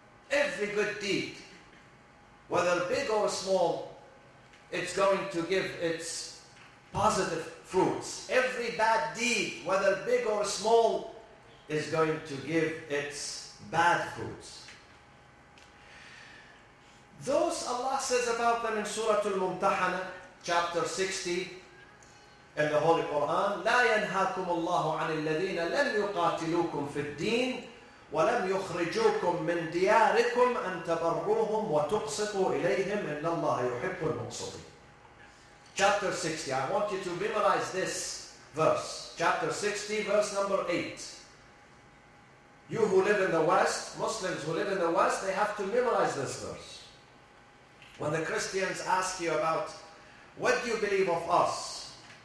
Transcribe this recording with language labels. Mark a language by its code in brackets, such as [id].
[en] Every good deed, whether big or small, it's going to give its positive fruits. Every bad deed, whether big or small, is going to give its bad fruits. Those Allah says about them in Surah Al-Mumtahana, chapter 60, in the Holy Quran, [ar] لَا يَنْهَاكُمُ اللَّهُ عَنِ الَّذِينَ لَمْ يُقَاتِلُوكُمْ فِي الدِّينِ وَلَمْ يُخْرِجُوكُمْ مِنْ دِيَارِكُمْ أَنْ تَبَرُّوهُمْ وَتُقْسِطُوا إِلَيْهِمْ إِنَّ اللَّهَ يُحِبُّ الْمُقْسِطِينَ. [en] Chapter 60. I want you to memorize this verse. Chapter 60, verse number 8. You who live in the West, Muslims who live in the West, they have to memorize this verse. When the Christians ask you about, what do you believe of us?